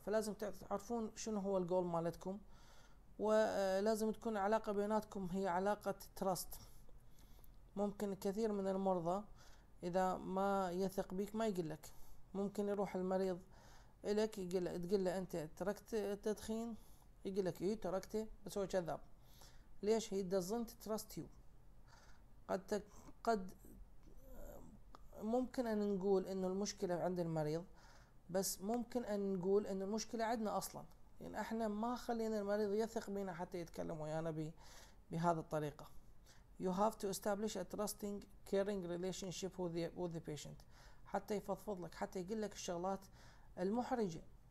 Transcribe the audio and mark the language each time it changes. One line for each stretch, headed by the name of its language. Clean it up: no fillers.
Arabic: فلازم تعرفون شنو هو الجول مالتكم، ولازم تكون علاقة بيناتكم هي علاقة trust. ممكن كثير من المرضى اذا ما يثق بيك ما يقول لك، ممكن يروح المريض إليك يقول تقول له أنت تركت التدخين، يقول لك إيه تركته بس هو كذاب. ليش؟
English: he doesn't trust you.
Arabic: قد ممكن أن نقول إنه المشكلة عند المريض، بس ممكن أن نقول إنه المشكلة عندنا أصلاً، يعني إحنا ما خلينا المريض يثق بينا حتى يتكلم ويانا بهذا الطريقة.
English: You have to establish a trusting, caring relationship with the patient.
Arabic: حتى يفضفض لك، حتى يقول لك الشغلات المحرجة.